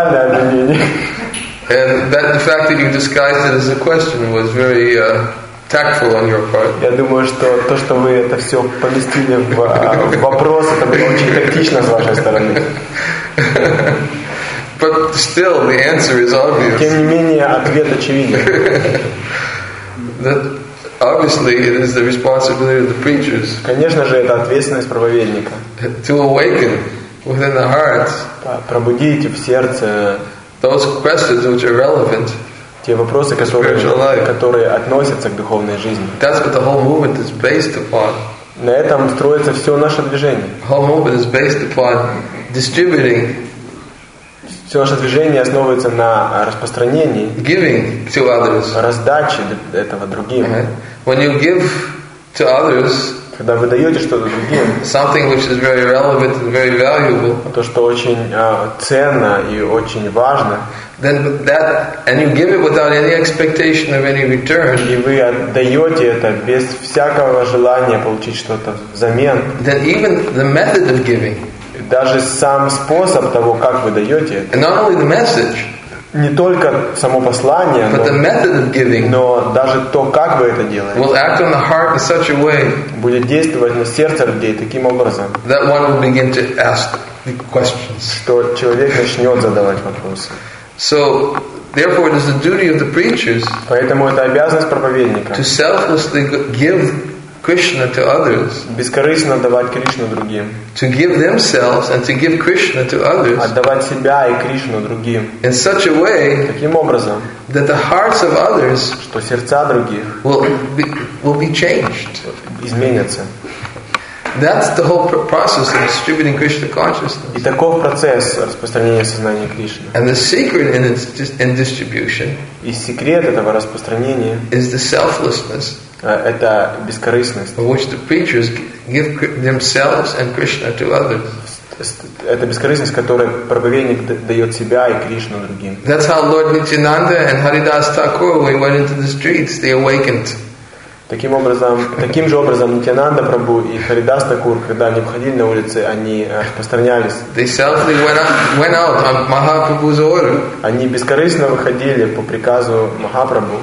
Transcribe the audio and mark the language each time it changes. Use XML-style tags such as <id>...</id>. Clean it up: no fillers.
<en>And that the fact that you disguised it as a question was very tactful on your part.</en> <ru>Я думаю, что то, что вы это все поместили в вопрос, это было очень тактично с вашей стороны.</ru> <en>But still, the answer is obvious.</en> <ru>Тем не менее, ответ очевиден.</ru> <en>That obviously it is the responsibility of the preachers.</en> <ru>Конечно же, это ответственность проповедника.</ru> <en>To awaken within the hearts.</en> <ru>Пробудить в сердце.</ru> <en>Those questions which are relevant.</en> <ru>Те вопросы, которые относятся к духовной жизни.</ru> <en>That's what the whole movement is based upon.</en> <ru>На этом строится все наше движение.</ru> <en>The whole movement is based upon distributing.</en> <ru>Все наше движение основывается на распространении.</ru> <en>Giving to others.</en> <ru>Раздаче этого другим.</ru> <en>Uh-huh. When you give to others,</en> <ru>когда вы даете что-то другим,</ru> <en>something which is very relevant and very valuable,</en> <ru>то, что очень ценно и очень важно,</ru> <en>then that, and you give it without any expectation of any return,</en> <ru>и вы отдаете это без всякого желания получить что-то взамен,</ru> <en>then even the method of giving,</en> <ru>даже сам способ того, как вы даете это,</ru> <en>and not only the message,</en> <ru>не только само послание,</ru> <en>but the method of giving,</en> <ru>но даже то, как вы это делаете,</ru> <en>will act on the heart in such a way,</en> <ru>будет действовать на сердце людей таким образом,</ru> <en>that one will begin to ask the questions,</en> <ru>что человек начнет задавать вопросы.</ru> <en>So, therefore, it is the duty of the preachers,</en> <ru>поэтому это обязанность проповедника,</ru> <en>to selflessly give Krishna to others,</en> <ru>бескорыстно давать Кришну другим,</ru> <en>to give themselves and to give Krishna to others,</en> <ru>отдавать себя и Кришну другим,</ru> <en>in such a way,</en> <ru>таким образом,</ru> <en>that the hearts of others,</en> <ru>что сердца других,</ru> <en>will be changed,</en> <ru>изменятся.</ru> <en>That's the whole process of distributing Krishna consciousness.</en> <ru>И таков процесс распространения сознания Кришны.</ru> <en>And the secret in its in distribution,</en> <ru>и секрет этого распространения,</ru> <en>is the selflessness.</en> <ru>Это бескорыстность.</ru> <en>In which the preachers give themselves and Krishna to others.</en> <ru>Это бескорыстность, которой проповедник дает себя и Кришну другим.</ru> <en>That's how Lord Nityananda and Haridas Thakur, when he went into the streets, they awakened.</en> <ru>Таким образом, таким же образом Нитьянанда Прабху и Харидас Такур, когда они выходили на улицы, они распространялись.</ru> <en>They selflessly went out on Mahaprabhu's order.</en> <ru>Они бескорыстно выходили по приказу Махапрабху.</ru>